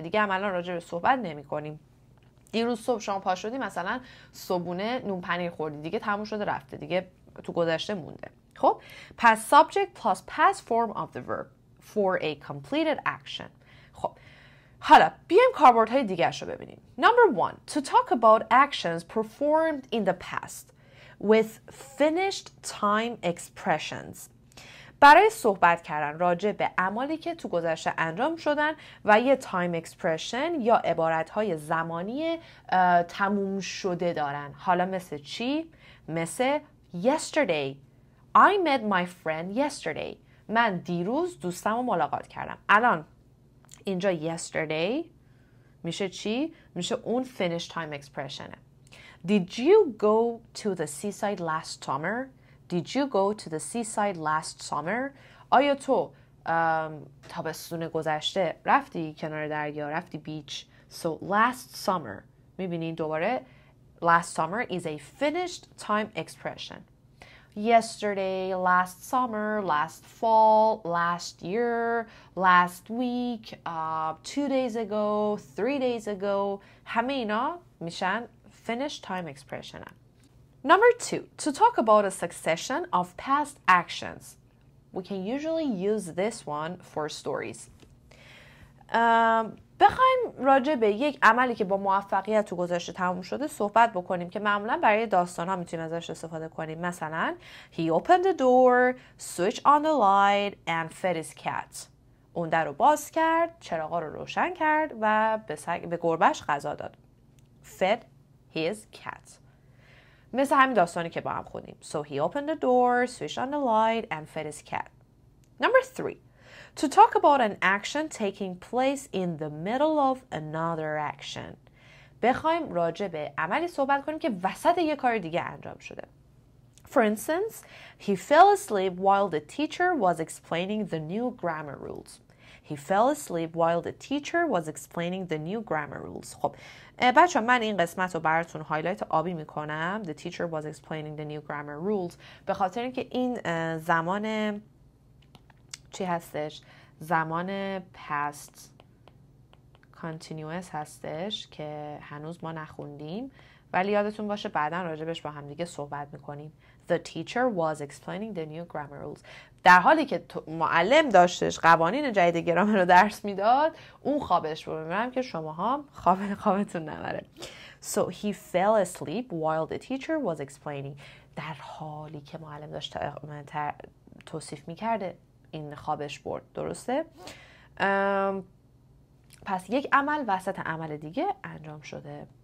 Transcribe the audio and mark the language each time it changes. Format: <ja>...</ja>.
<fa>دیگه عملا راجع به صحبت نمی کنیم. دیروز صبح شما پا شدی مثلا صبحونه نون پنیر خوردی، دیگه تموم شده، رفته، دیگه تو گذشته مونده. خب پس</fa> <en>subject plus past form of the verb for a completed action.</en> <fa>خب حالا بیایم کاربردهای دیگه‌اش رو ببینیم.</fa> <en>Number one, to talk about actions performed in the past with finished time expressions.</en> <fa>برای صحبت کردن راجع به اعمالی که تو گذشته انجام شدن و یه تایم اکسپرشن یا عبارت‌های زمانی تموم شده دارن. حالا مثل چی؟ مثل yesterday.</fa> <en>I met my friend yesterday.</en> <fa>من دیروز دوستم رو ملاقات کردم. الان اینجا yesterday میشه چی؟ میشه اون</fa> <en>finish time expression</en> <fa>ه.</fa> <en>Did you go to the seaside last summer? Did you go to the seaside last summer?</en> <fa>آیا تو تابستون گذشته رفتی کنار دریا، رفتی بیچ؟</fa> <en>So last summer.</en> <fa>میبینین دوباره</fa> <en>last summer is a finished time expression. Yesterday, last summer, last fall, last year, last week, two days ago, three days ago.</en> <fa>همه اینا میشن</fa> <en>finished time expression. Number two, to talk about a succession of past actions. We can usually use this one for stories.</en> <fa>بخوایم راجع به یک عملی که با موفقیت تو گذشته تموم شده صحبت بکنیم که معمولا برای داستان ها میتونیم ازش استفاده کنیم.</fa> <en>مثلا He opened the door, switched on the light and fed his cat.</en> <fa>اون در رو باز کرد، چراغ رو روشن کرد و به گربش غذا داد.</fa> <en>Fed his cat.</en> <fa>مثل همین داستانی که با هم خوندیم.</fa> <en>So he opened the door, switched on the light, and fed his cat. Number three. To talk about an action taking place in the middle of another action.</en> <fa>بخوایم راجع به عملی صحبت کنیم که وسط یه کار دیگه انجام شده.</fa> <en>For instance, he fell asleep while the teacher was explaining the new grammar rules. He fell asleep while the teacher was explaining the new grammar rules.</en> <fa>خب بچه ها من این قسمت رو براتون هایلایت آبی میکنم.</fa> <en>The teacher was explaining the new grammar rules.</en> <fa>به خاطر اینکه این زمان چی هستش؟ زمان past continuous هستش که هنوز ما نخوندیم. ولی یادتون باشه بعدن راجبش با هم دیگه صحبت میکنیم.</fa> <en>The teacher was explaining the new grammar rules.</en> <fa>در حالی که معلم داشتش قوانین جدید گرامر رو درس میداد، اون خوابش بود. میبینم که شما هم خوابتون نبره.</fa> <en>So he fell asleep while the teacher was explaining.</en> <fa>در حالی که معلم داشت توصیف میکرده این خوابش برد. درسته؟ پس یک عمل وسط عمل دیگه انجام شده.</fa>